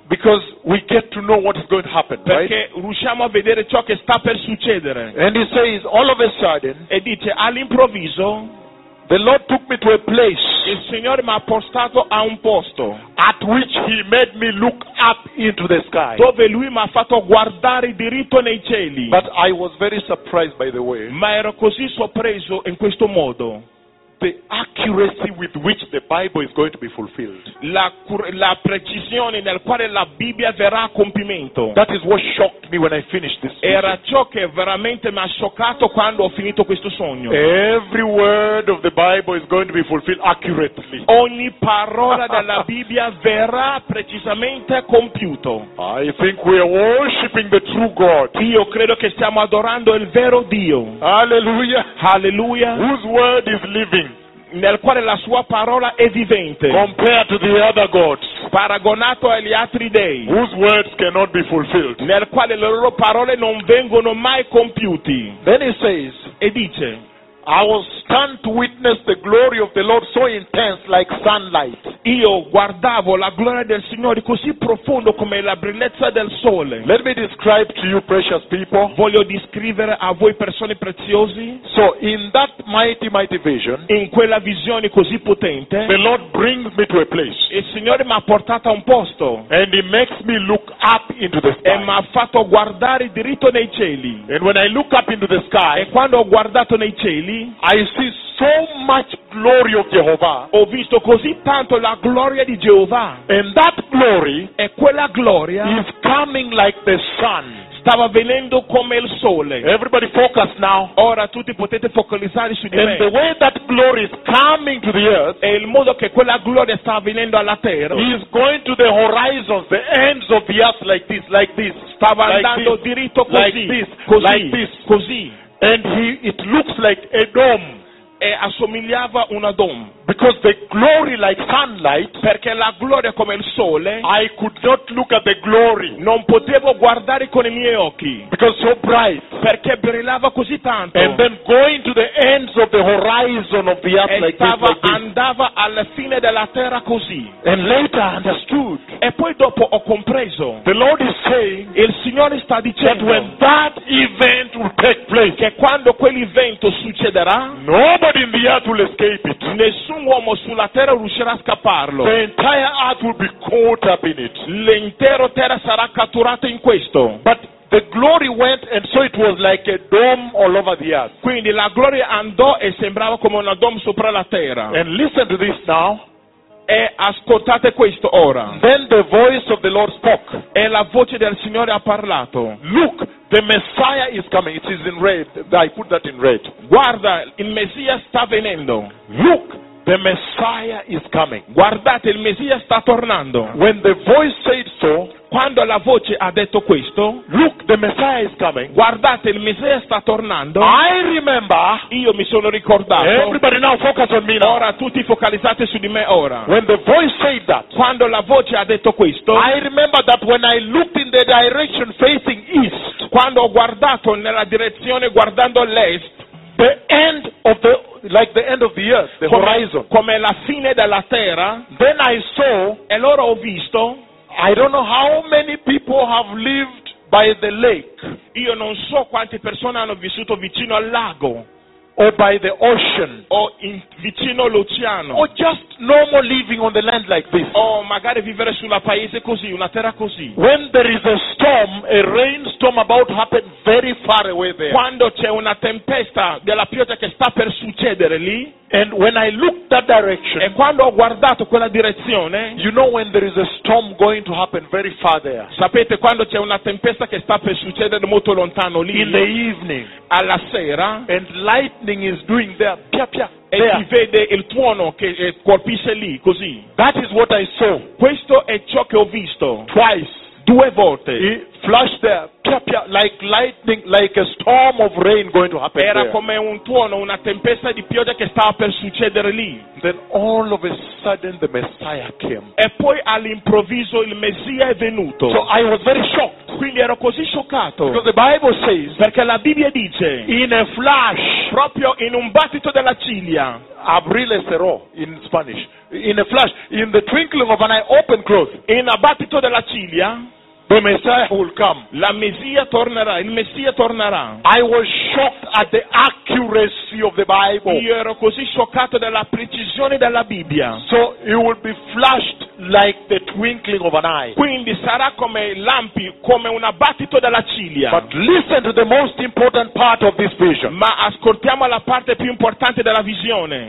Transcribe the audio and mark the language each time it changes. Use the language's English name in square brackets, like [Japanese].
[English] Because we get to know what is going to happen. [Italian] Perché [English] right? [Italian] Riusciamo a vedere ciò che sta per succedere. [English] And he says, all of a sudden. [Italian] E dice all'improvviso. [English] The Lord took me to a place. [Italian] Il Signore mi ha portato a un posto. [English] At which He made me look up into the sky. [Italian] Dove lui mi ha fatto guardare diritto nei cieli. [English] But I was very surprised by the way. [Italian] Ma ero così sorpreso in questo modo. [English] The accuracy with which the Bible is going to be fulfilled. [Italian] La precisione nel quale la Bibbia verrà a compimento. [English] That is what shocked me when I finished this. [Italian] Era ciò che veramente mi ha scioccato quando ho finito questo sogno. [English] Every word of the Bible is going to be fulfilled accurately. [Italian] Ogni parola della Bibbia verrà precisamente compiuto. [English] I think we are worshiping the true God. [Italian] Io credo che stiamo adorando il vero Dio. [English] Hallelujah. [Italian] Hallelujah. [English] Whose word is living? [Italian] Nel quale la sua parola è vivente. [English] Compared to the other gods. [Italian] Paragonato agli altri dei. [English] Whose words cannot be fulfilled. [Italian] Nel quale le loro parole non vengono mai compiuti. [English] Then he says. [Italian] E dice. [English] I was stunned to witness the glory of the Lord so intense like sunlight. [Italian] Io guardavo la gloria del Signore così profondo come la brillezza del sole. [English] Let me describe to you precious people. [Italian] Voglio descrivere a voi persone preziosi. [English] So in that mighty, mighty vision. [Italian] In quella visione così potente. [English] The Lord brings me to a place. [Italian] Il Signore mi ha portato a un posto. [English] And he makes me look up into the sky. [Italian] E mi ha fatto guardare diritto nei cieli. [English] And when I look up into the sky. [Italian] E quando ho guardato nei cieli. [English] I see so much glory of Jehovah. [Italian] Ho visto così tanto la gloria di Jehovah. [English] And that glory, [Italian] e quella gloria, [English] is coming like the sun. [Italian] Stava venendo come il sole. [English] Everybody focus now. [Italian] Ora tutti potete focalizzare su di [English] me. And the way that glory is coming to the earth, [Italian] e il modo che quella gloria sta venendo alla terra, [English] is going to the horizons, the ends of the earth like this, [Italian] stava [English] like [Italian] andando [English] this, [Italian] diritto così, [English] like this, [Italian] così, [English] like this, [Italian] così. [English] And he, it looks like a dome. [Italian] E assomigliava una dome. [English] Because the glory like sunlight. [Italian] Perché la gloria come il sole. [English] I could not look at the glory. [Italian] Non potevo guardare con i miei occhi. [English] Because so bright. [Italian] Perché brillava così tanto. [English] And then going to the ends of the horizon of the earth [Italian] e [English] like [Italian] stava, [English] this. [Italian] Andava alla fine della terra così. [English] And later understood. [Italian] E poi dopo ho compreso. [English] The Lord is saying. [Italian] Il Signore sta dicendo. [English] That when that event will take place. [Italian] Che quando quell'evento succederà. [English] No. Nobody in the earth will escape it. [Italian] Nessun uomo sulla terra riuscirà a scapparlo. [English] The entire earth will be caught up in it. [Italian] L'intero terra sarà catturata in questo. [English] But the glory went and so it was like a dome all over the earth. [Italian] Quindi la gloria andò e sembrava come una dome sopra la terra. [English] And listen to this now. [Italian] E ascoltate questo ora. [English] Then the voice of the Lord spoke. [Italian] E la voce del Signore ha parlato. [English] Look. The Messiah is coming. It is in red. I put that in red. [Italian] Guarda, il Messia sta venendo. [English] Look, The Messiah is coming. [Italian] Guardate, il Messia sta tornando. [English] When the voice said so, [Italian] quando la voce ha detto questo, [English] look, the Messiah is coming. [Italian] Guardate, il Messia sta tornando. [English] I remember. [Italian] Io mi sono ricordato. [English] Everybody now focus on me now. [Italian] Ora tutti focalizzate su di me ora. [English] When the voice said that, [Italian] quando la voce ha detto questo, [English] I remember that when I looked in the direction facing east, [Italian] quando ho guardato nella direzione guardando l'est, [English] the end of the, like the end of the earth, the horizon, [Italian] come la fine della terra. [English] Then I saw, [Italian] e loro ho visto, [English] I don't know how many people have lived by the lake. [Italian] Io non so quante persone hanno vissuto vicino al lago, [English] or by the ocean, [Italian] or in vicino l'oceano, [English] or just normal living on the land like this. [Italian] O magari vivere sulla paese così, una terra così. [English] When there is a storm, a rainstorm about to happen very far away there. [Italian] Quando c'è una tempesta della pioggia che sta per succedere lì. [English] And when I looked that direction, [Italian] e quando ho guardato quella direzione, [English] you know when there is a storm going to happen very far there. [Italian] Sapete quando c'è una tempesta che sta per succedere molto lontano lì? [English] In the evening, [Italian] alla sera, [English] and lightning is doing there, pia pia. [Italian] E si vede il tuono che colpisce lì, così. [English] That is what I saw. [Italian] Questo è ciò che ho visto. [English] Twice, [Italian] due volte. [English] It flashed there, pia pia, like lightning, like a storm of rain going to happen. [Italian] Era come un tuono, una tempesta di pioggia che stava per succedere lì. [English] Then all of a sudden the Messiah came. [Italian] E poi all'improvviso il Messia è venuto. [English] So I was very shocked. [Italian] Quindi ero così scioccato. [English] Because the Bible says, [Italian] perché la Bibbia dice, [English] in a flash, [Italian] proprio in un battito della ciglia, [Spanish] abrile cerò, [English] in Spanish, in a flash, in the twinkling of an eye, open close, [Italian] in a battito della ciglia, [English] the Messiah will come. [Italian] La Messia tornerà, il Messia tornerà. [English] I was shocked at the accuracy of the Bible. [Italian] Io ero così scioccato dalla precisione della Bibbia. [English] So it will be flashed like the twinkling of an eye. [Italian] Quindi sarà come lampi, come un abbattito della ciglia. [English] But listen to the most important part of this vision. [Italian] Ma ascoltiamo la parte più importante della visione.